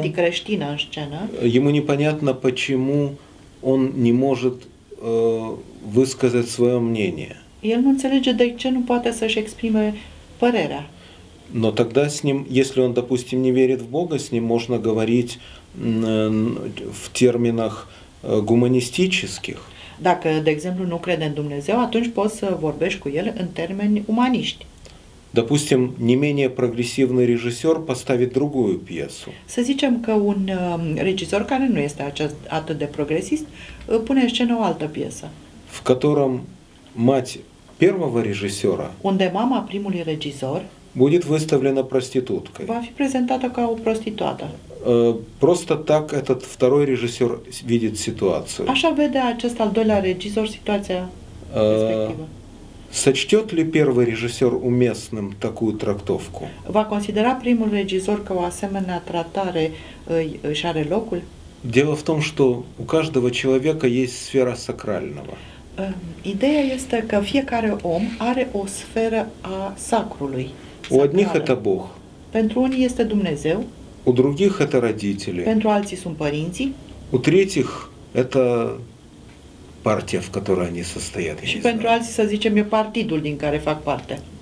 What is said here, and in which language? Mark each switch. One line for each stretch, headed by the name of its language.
Russian: Пьеса антикрестина в сцене. Ему непонятно почему он не может высказать свое мнение.
Romanian: El nu înțelege de ce nu poate să-și exprime părerea.
Russian: Но тогда с ним, если он, допустим, не верит в Бога, с ним можно говорить в терминах гуманистических.
Romanian: Dacă, de exemplu, nu crede în Dumnezeu, atunci poți să vorbești cu el în termeni umaniști.
Russian: Допустим, не менее прогрессивный режиссер поставит другую пьесу.
Romanian: Să zicem că un regizor care nu este atât de progresist pune în scenă o altă piesă.
Russian: В котором мать первого режиссера.
Romanian: Unde mama primului regizor.
Russian: Будет выставлена проституткой.
Romanian: Va fi prezentată ca o prostituată.
Russian: Просто так этот второй режиссер видит ситуацию.
Romanian: Așa vede acest al doilea regizor situația respectivă.
Russian: Сочтет ли первый режиссер уместным такую трактовку?
Romanian: Va considera primul regizor că o asemenea tratare își are locul?
Russian: Дело в том, что у каждого человека есть сфера сакрального.
Romanian: Ideea este că fiecare om are o sferă a sacrului.
Russian: У одних это Бог.
Romanian: Pentru unii este Dumnezeu.
Russian: У других это родители.
Romanian: Pentru alții sunt părinții.
Russian: У третьих это партия, в которой они состоят.
Romanian: Și pentru alții, să zicem, e partidul din care fac parte.